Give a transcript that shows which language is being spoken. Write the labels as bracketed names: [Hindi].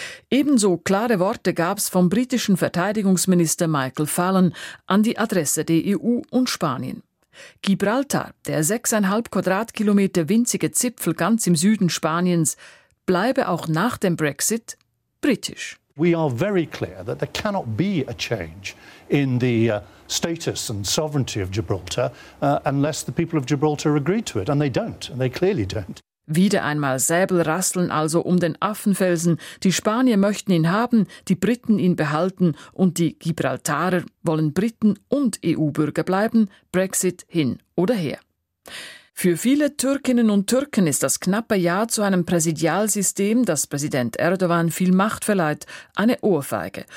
[German] Ebenso klare Worte gab es vom britischen Verteidigungsminister Michael Fallon an die Adresse der EU und Spanien. Gibraltar, der 6,5 Quadratkilometer winzige Zipfel ganz im Süden Spaniens, bleibe auch nach dem Brexit britisch. [English] We are very clear that there cannot be a change in the status and sovereignty of Gibraltar unless the people of Gibraltar agree to it, and they don't, and they clearly don't. [German] Wieder einmal Säbelrasseln also um den Affenfelsen. Die Spanier möchten ihn haben, die Briten ihn behalten und die Gibraltarer wollen Briten und EU-Bürger bleiben, Brexit hin oder her. Für viele Türkinnen und Türken ist das knappe Ja zu einem Präsidialsystem, das Präsident Erdogan viel Macht verleiht, eine Ohrfeige.